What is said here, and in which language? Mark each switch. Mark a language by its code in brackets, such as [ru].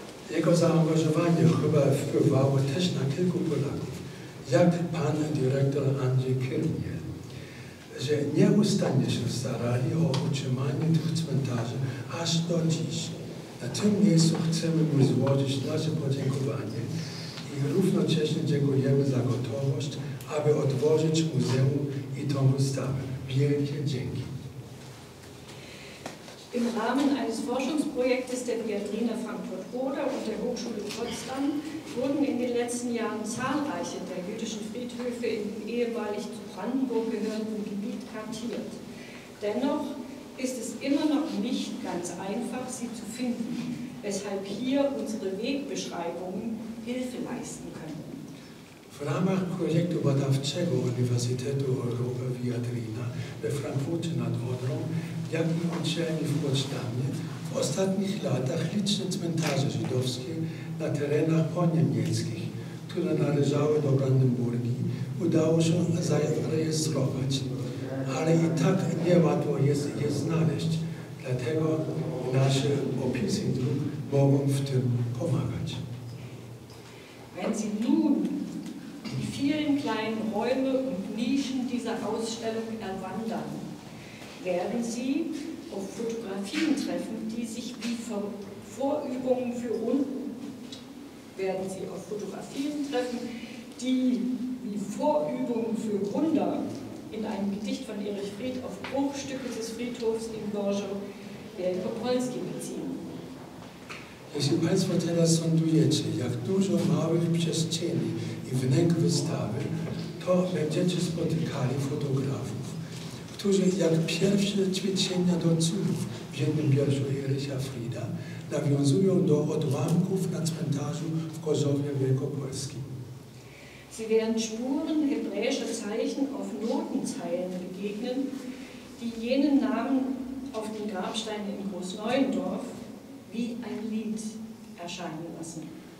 [pl] Jego zaangażowanie chyba wpływało też na kilku Polaków, jak pan dyrektor Andrzej Kirnie, że nieustannie się starali o utrzymanie tych cmentarzy aż do dziś. Na tym miejscu chcemy mu złożyć nasze podziękowanie i równocześnie dziękujemy za gotowość, aby otworzyć muzeum i tą wystawę. Wielkie dzięki. [de] Im Rahmen eines Forschungsprojektes der Biennale Frankfurt-Oder und der Hochschule Potsdam wurden in den letzten Jahren zahlreiche der jüdischen Friedhöfe im ehemalig zu Brandenburg gehörenden Gebiet kartiert. Dennoch ist es immer noch nicht ganz einfach, sie zu finden, weshalb hier unsere Wegbeschreibungen Hilfe leisten können. [pl] W ramach projektu badawczego Uniwersytetu Europy Viadrina we Frankfurcie nad Odrą, jak i uczelni w Poznaniu, w ostatnich latach liczne cmentarze żydowskie na terenach poniemieckich, które należały do Brandenburgii, udało się zarejestrować. Ale i tak niełatwo jest je znaleźć, dlatego nasze opisy dróg mogą w tym pomagać. [de] Wenn Sie nun die vielen kleinen Räume und Nischen dieser Ausstellung erwandern, werden Sie auf Fotografien treffen, die sich wie Vorübungen für Wunder in einem Gedicht von Erich Fried auf Bruchstücke des Friedhofs in Gorzów Wielkopolski beziehen. [pl] Jeśli Państwo teraz sądujecie, jak dużo małych przestrzeni i wnęk wystawy, to będziecie spotykali fotografów, którzy jak pierwsze ćwiczenia do cudów w jednym wierszu Erycha Frieda nawiązują do odłamków na cmentarzu w Gorzowie Wielkopolskim. [de] Sie werden Spuren hebräischer Zeichen auf Notenzeilen begegnen, die jenen Namen auf den Grabsteinen in Großneuendorf wie ein Lied erscheinen lassen.